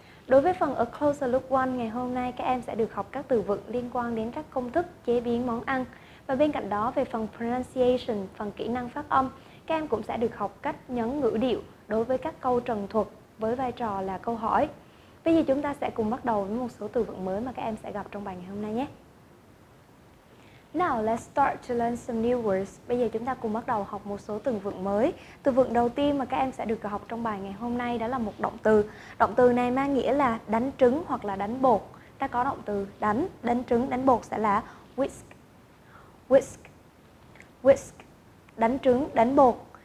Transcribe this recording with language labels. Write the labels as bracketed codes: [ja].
[vi] Đối với phần A Closer Look 1 ngày hôm nay, các em sẽ được học các từ vựng liên quan đến các công thức chế biến món ăn. Và bên cạnh đó, về phần pronunciation, phần kỹ năng phát âm, các em cũng sẽ được học cách nhấn ngữ điệu đối với các câu trần thuật với vai trò là câu hỏi. Bây giờ chúng ta sẽ cùng bắt đầu với một số từ vựng mới mà các em sẽ gặp trong bài ngày hôm nay nhé. [en] Now, let's start to learn some new words. [vi] Bây giờ chúng ta cùng bắt đầu học một số từ vựng mới. Từ vựng đầu tiên mà các em sẽ được học trong bài ngày hôm nay đó là một động từ. Động từ này mang nghĩa là đánh trứng hoặc là đánh bột. Ta có động từ đánh, đánh trứng, đánh bột sẽ là whisk, whisk, whisk, đánh trứng, đánh bột.